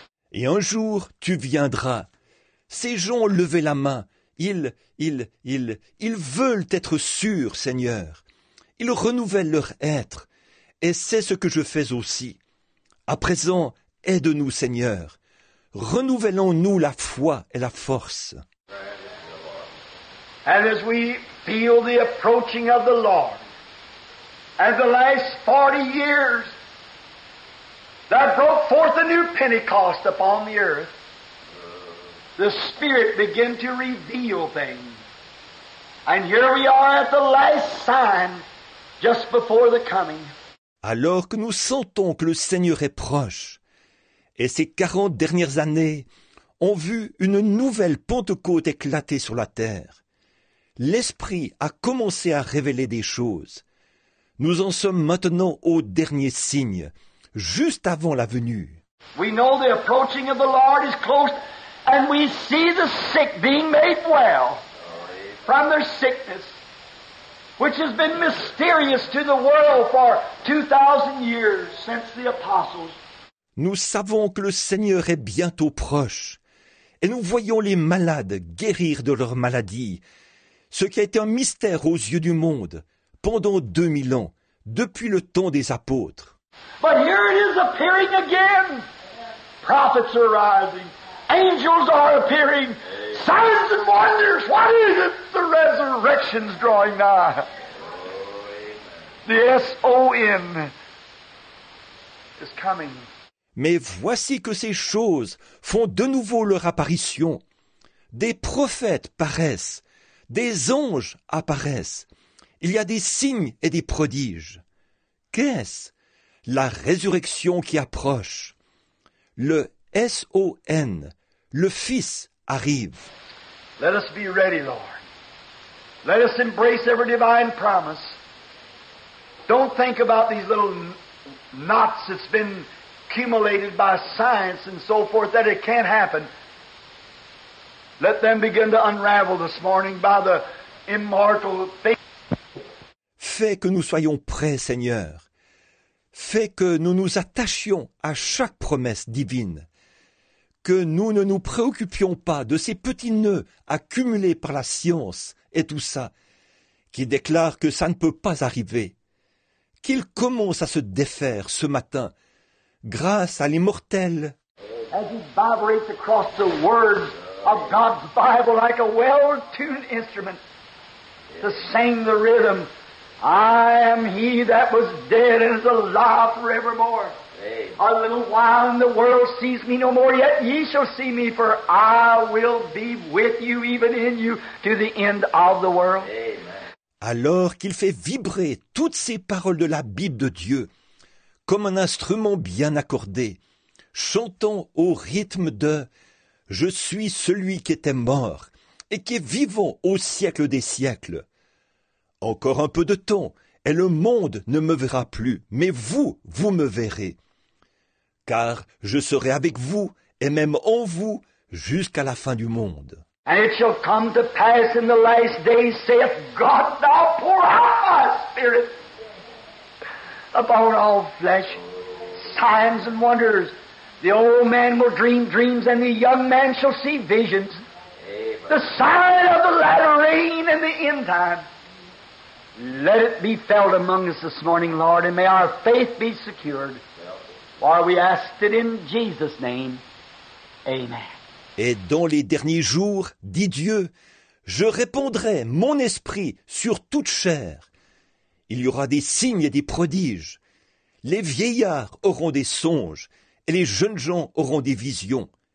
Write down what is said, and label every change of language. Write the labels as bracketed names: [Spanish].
[French] Et un jour, tu viendras. Ces gens ont levé la main. Ils veulent être sûrs, Seigneur. Ils renouvellent leur être. Et c'est ce que je fais aussi. À présent, aide-nous, Seigneur. Renouvelons-nous la foi et la force. [English] And as we feel the approaching of the Lord, and the last 40 years that broke forth a new Pentecost upon the earth, the Spirit began to reveal things. And here we are at the last sign, just before the coming. [French] Alors que nous sentons que le Seigneur est proche, et ces 40 dernières années ont vu une nouvelle Pentecôte éclater sur la terre, l'Esprit a commencé à révéler des choses. Nous en sommes maintenant au dernier signe, juste avant la venue. [English] We know the approaching of the Lord is close, and we see the sick being made well from their sickness, which has been mysterious to the world for 2,000 years since the apostles. [French] Nous savons que le Seigneur est bientôt proche, et nous voyons les malades guérir de leur maladie, ce qui a été un mystère aux yeux du monde pendant 2000 ans, depuis le temps des apôtres. [English] But here it is appearing again. Prophets are rising. Angels are appearing. Signs and wonders. What is it? The resurrection's drawing nigh. The S-O-N is coming. [French] Mais voici que ces choses font de nouveau leur apparition. Des prophètes paraissent. Des anges apparaissent. Il y a des signes et des prodiges. Qu'est-ce? La résurrection qui approche. Le S-O-N, le Fils, arrive. [English] Let us be ready, Lord. Let us embrace every divine promise. Don't think about these little knots that's been accumulated by science and so forth that it can't happen. Let them begin to unravel this morning by the immortal faith. [French] Fais que nous soyons prêts, Seigneur. Fais que nous nous attachions à chaque promesse divine. Que nous ne nous préoccupions pas de ces petits nœuds accumulés par la science et tout ça, qui déclarent que ça ne peut pas arriver. Qu'ils commencent à se défaire ce matin, grâce à l'immortel. [English] As you vibrate across the words of God's Bible like a well-tuned instrument to sing the rhythm, I am he that was dead and is alive forevermore. A little while and the world sees me no more, yet ye shall see me, for I will be with you, even in you, to the end of the world. Amen. [French] Alors qu'il fait vibrer toutes ces paroles de la Bible de Dieu, comme un instrument bien accordé, chantons au rythme de « Je suis celui qui était mort et qui est vivant au siècle des siècles ». Encore un peu de temps, et le monde ne me verra plus, mais vous, vous me verrez. Car je serai avec vous, et même en vous, jusqu'à la fin du monde. [English] And it shall come to pass in the last days, saith God, thou pour out my spirit upon all flesh. Signs and wonders. The old man will dream dreams, and the young man shall see visions. Amen. The sign of the latter rain and the end time. Let it be felt among us this morning, Lord, and may our faith be secured. For we ask it in Jesus' name. Amen. [French] Et dans les derniers jours, dit Dieu, je répandrai mon esprit sur toute chair. Il y aura des signes et des prodiges. Les vieillards auront des songes et les jeunes gens auront des visions.